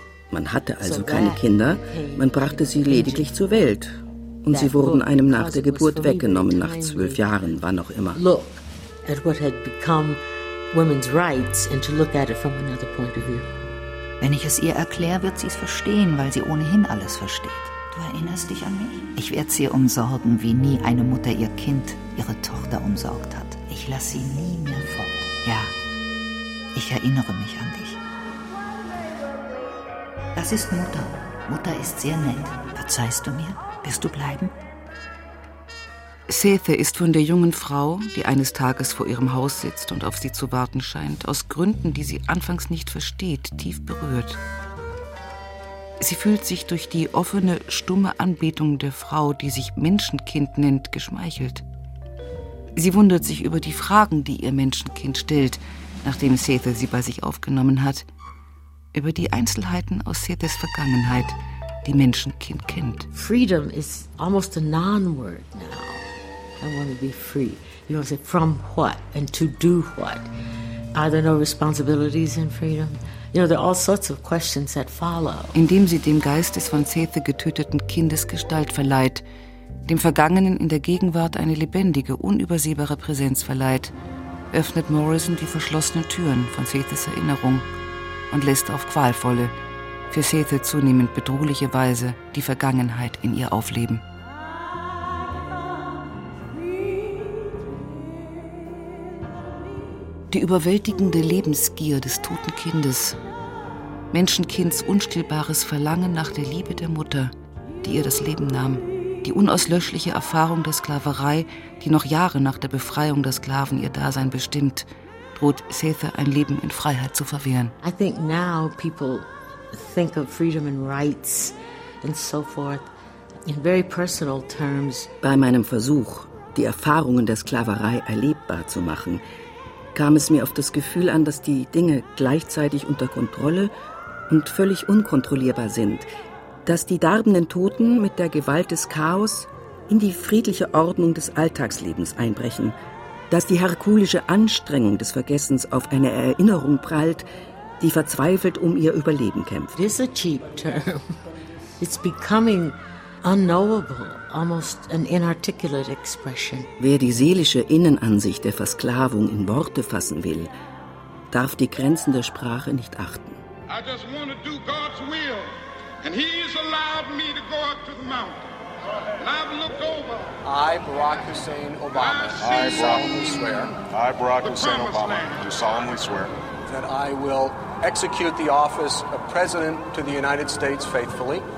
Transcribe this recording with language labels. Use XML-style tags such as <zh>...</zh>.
<de>Man hatte also keine Kinder, man brachte sie lediglich zur Welt. Und sie wurden einem nach der Geburt weggenommen, nach 12 Jahren, wann auch immer.</de> <en>Look at what had become women's rights and to look at it from another point of view.</en> <de>Wenn ich es ihr erkläre, wird sie es verstehen, weil sie ohnehin alles versteht. Du erinnerst dich an mich? Ich werde sie umsorgen, wie nie eine Mutter ihr Kind, ihre Tochter umsorgt hat. Ich lasse sie nie mehr fort. Ja, ich erinnere mich an dich. Das ist Mutter. Mutter ist sehr nett. Verzeihst du mir? Wirst du bleiben? Sethe ist von der jungen Frau, die eines Tages vor ihrem Haus sitzt und auf sie zu warten scheint, aus Gründen, die sie anfangs nicht versteht, tief berührt. Sie fühlt sich durch die offene, stumme Anbetung der Frau, die sich Menschenkind nennt, geschmeichelt. Sie wundert sich über die Fragen, die ihr Menschenkind stellt, nachdem Sethe sie bei sich aufgenommen hat, über die Einzelheiten aus Sethes Vergangenheit, die Menschenkind kennt.</de> <en>Freedom is almost a non-word now. I want to be free. You want to say, from what and to do what? Are there no responsibilities in freedom? You know, there are all sorts of questions that follow.</en> <de>Indem sie dem Geist des von Sethe getöteten Kindes Gestalt verleiht, dem Vergangenen in der Gegenwart eine lebendige, unübersehbare Präsenz verleiht, öffnet Morrison die verschlossenen Türen von Sethes Erinnerung und lässt auf qualvolle, für Sethe zunehmend bedrohliche Weise die Vergangenheit in ihr aufleben. Die überwältigende Lebensgier des toten Kindes, Menschenkinds unstillbares Verlangen nach der Liebe der Mutter, die ihr das Leben nahm, die unauslöschliche Erfahrung der Sklaverei, die noch Jahre nach der Befreiung der Sklaven ihr Dasein bestimmt, droht Sethe ein Leben in Freiheit zu verwehren.</de> <en>I think now people think of freedom and rights and so forth in very personal terms.</en> <de>Bei meinem Versuch, die Erfahrungen der Sklaverei erlebbar zu machen, kam es mir auf das Gefühl an, dass die Dinge gleichzeitig unter Kontrolle und völlig unkontrollierbar sind. Dass die darbenden Toten mit der Gewalt des Chaos in die friedliche Ordnung des Alltagslebens einbrechen. Dass die herkulische Anstrengung des Vergessens auf eine Erinnerung prallt, die verzweifelt um ihr Überleben kämpft.</de> <en>This is a cheap term. It's becoming unknowable, almost an inarticulate expression.</en> <de>Wer die seelische Innenansicht der Versklavung in Worte fassen will, darf die Grenzen der Sprache nicht achten.</de> <en>I just want to do God's will, and He has allowed me to go up to the mountain. I, Barack Hussein Obama, I solemnly swear. I, Barack Hussein Obama, do solemnly swear that I will execute the office of President to the United States faithfully.</en>